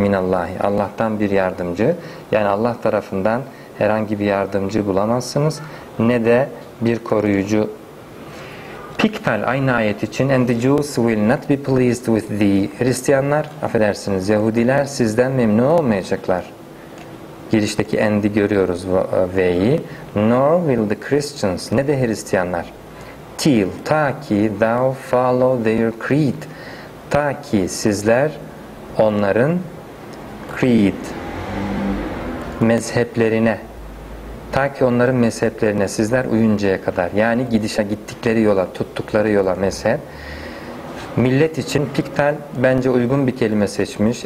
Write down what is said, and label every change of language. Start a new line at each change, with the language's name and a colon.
Turkish: Minallahi, Allah'tan bir yardımcı. Yani Allah tarafından herhangi bir yardımcı bulamazsınız, ne de bir koruyucu. Pikpel aynı ayet için,
English: and the Jews will not be pleased with thee.
Turkish: Hristiyanlar, affedersiniz, Yahudiler sizden memnun olmayacaklar. Girişteki end'i görüyoruz bu ve'yi.
English: Nor will the Christians,
Turkish: ne de Hristiyanlar.
English: Till,
Turkish: ta ki
English: thou follow their creed.
Turkish: Ta ki sizler onların creed, mezheplerine. Ta ki onların mezheplerine sizler uyuncaya kadar. Yani gidişe gittikleri yola, tuttukları yola mezhep. Millet için piktal bence uygun bir kelime seçmiş.